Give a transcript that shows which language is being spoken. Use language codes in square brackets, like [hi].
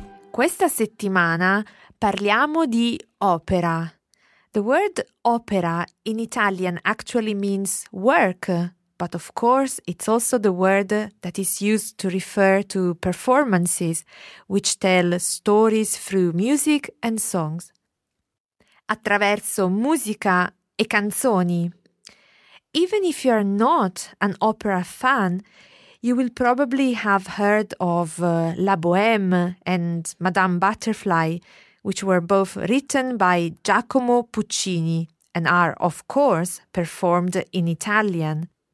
[it] Questa settimana parliamo di opera. [en] The word opera in Italian actually means work, but of course it's also the word that is used to refer to performances which tell stories through music and songs. [it] Attraverso musica e canzoni. [en] Even if you are not an opera fan, you will probably have heard of La Bohème and Madame Butterfly, which were both written by Giacomo Puccini and are, of course, performed in Italian.